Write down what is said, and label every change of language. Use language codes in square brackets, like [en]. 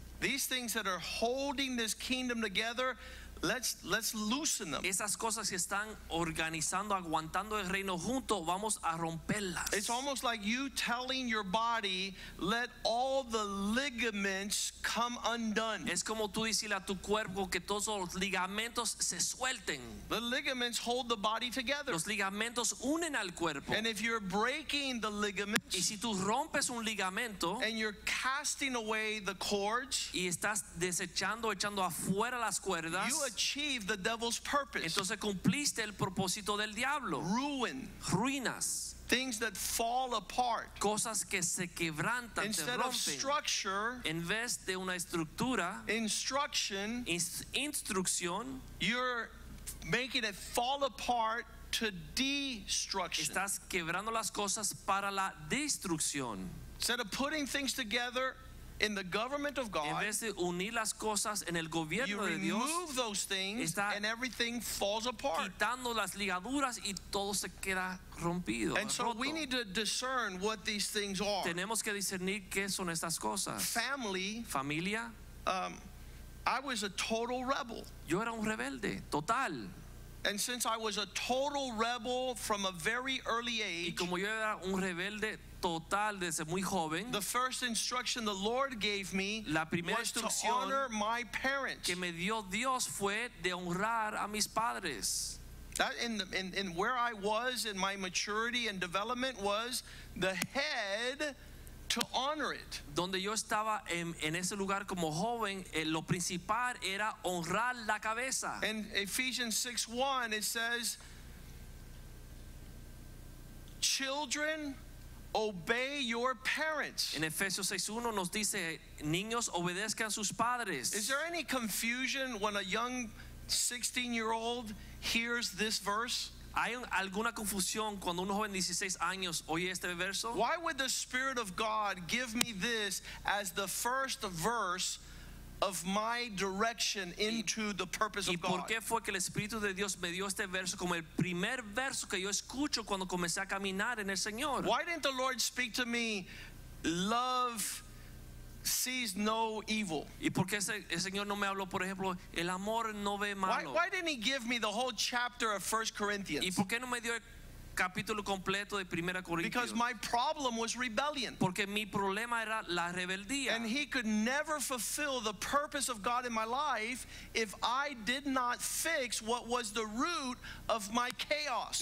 [en] These things that are holding this kingdom together, Let's loosen them. [es] Esas cosas que están organizando, aguantando el reino junto, vamos a romperlas. [en] It's almost like you telling your body, let all the ligaments come undone. [es] Es como tú decirle a tu cuerpo que todos los ligamentos se suelten. [en] The ligaments hold the body together. [es] Los ligamentos unen al cuerpo. [en] And if you're breaking the ligaments, [es] y si tú rompes un ligamento, [en] and you're casting away the cords, [es] y estás desechando, echando afuera las cuerdas, [en] you achieve the devil's purpose. [es] Entonces cumpliste el propósito del diablo. [en] Ruin. [es] Ruinas. [en] Things that fall apart. [es] Cosas que se quebrantan. [en] Instead of structure. [es] En vez de una estructura. [en] Instruction. [es] Instrucción. [en] You're making it fall apart to destruction. [es] Estás quebrando las cosas para la destrucción. [en] Instead of putting things together in the government of God, [es] en vez de unir las cosas en el gobierno de Dios, [en] you remove those things and everything falls apart. [es] Quitando las ligaduras y todo se queda rompido. [en] And so we need to discern what these things are. [es] Tenemos que discernir qué son estas cosas. [en] Family, [es] familia. [en] I was a total rebel. [es] Yo era un rebelde total. [en] And since I was a total rebel from a very early age, [es] y como yo era un rebelde total desde muy joven, [en] the first instruction the Lord gave me, [es] la primera [en] was to honor my parents, [es] que me dio Dios fue de honrar a mis padres. [en] That in where I was in my maturity and development was the head to honor it. [es] Donde yo estaba en ese lugar como joven, lo principal era honrar la cabeza. [en] In Ephesians 6:1 it says, children, obey your parents. [es] En Efesios 6:1 nos dice, niños, obedezcan sus padres. [en] Is there any confusion when a young 16-year-old hears this verse? [es] ¿Hay alguna confusión cuando un joven de 16 años oye este verso? [en] Why would the Spirit of God give me this as the first verse of my direction into the purpose of God? [es] ¿Y por qué fue que el Espíritu de Dios me dio este verso como el primer verso que yo escucho cuando comencé a caminar en el Señor? [en] Why didn't the Lord speak to me, love sees no evil? [es] ¿Y por qué el Señor no me habló, por ejemplo, el amor no ve malo? [en] Why didn't he give me the whole chapter of 1 Corinthians? [es] ¿Y por qué no me dio el capítulo completo de 1 Corintios? [en] Because my problem was rebellion. [es] Porque mi problema era la rebeldía. [en] And he could never fulfill the purpose of God in my life if I did not fix what was the root of my chaos.